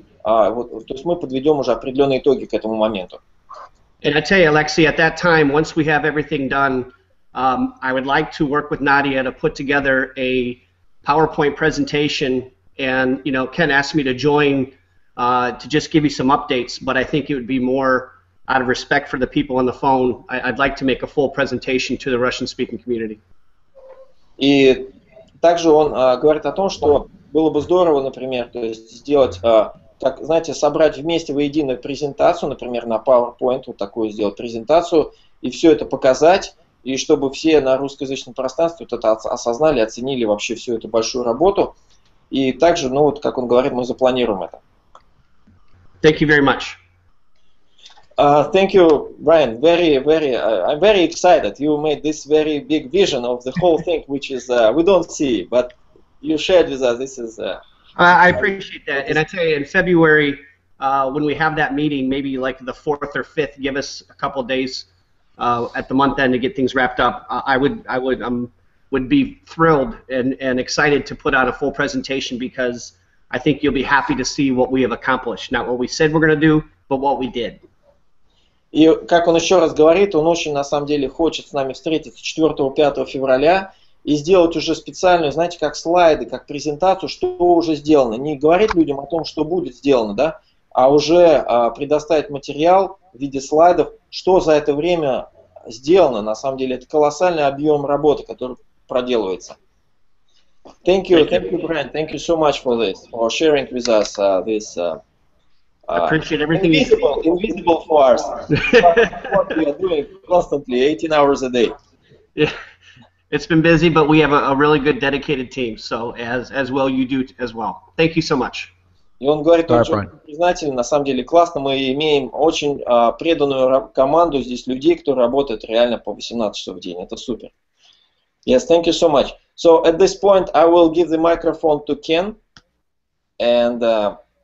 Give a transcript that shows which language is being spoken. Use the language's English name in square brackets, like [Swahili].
[Russian] То есть мы подведем уже определенные итоги к этому моменту. [English] And I tell you, Alexei, at that time, once we have everything done, I would like to work with Nadia to put together a PowerPoint presentation, and you know, Ken asked me to join to just give you some updates, but I think it would be more out of respect for the people on the phone. I'd like to make a full presentation to the Russian-speaking community. И также он говорит о том, что было бы здорово, например, то есть собрать вместе воедино презентацию, например, на PowerPoint, вот такую сделать презентацию, и все это показать, и чтобы все на русскоязычном пространстве вот это осознали, оценили вообще всю эту большую работу. И также, ну вот, как он говорит, мы запланируем это. Thank you very much. Thank you, Brian. I'm very excited. You made this very big vision of the whole thing, which is we don't see, but you shared with us. This is. I appreciate that, and I tell you, in February, when we have that meeting, maybe like the 4th or 5th, give us a couple days at the month end to get things wrapped up. I would be thrilled and excited to put out a full presentation because I think you'll be happy to see what we have accomplished, not what we said we're going to do, but what we did. [Russian] И как он еще раз говорит, он очень на самом деле хочет с нами встретиться 4-5 февраля, и сделать уже специальную, знаете, как слайды, как презентацию, что уже сделано. Не говорить людям о том, что будет сделано, да, а уже предоставить материал в виде слайдов, что за это время сделано. На самом деле это колоссальный объем работы, который проделывается. [English] Thank you, Brian. Thank you so much for this, for sharing with us this. I appreciate everything. Invisible for us. What we are doing constantly, 18 hours a day. Yeah, it's been busy, but we have a really good, dedicated team. So as well, you do as well. Thank you so much. [Russian] И он говорит, он очень признателен. На самом деле классно. Мы имеем очень преданную команду здесь людей, которые работают реально по 18 часов в день. Это супер. [English] Yes, thank you so much. So at this point, I will give the microphone to Ken, and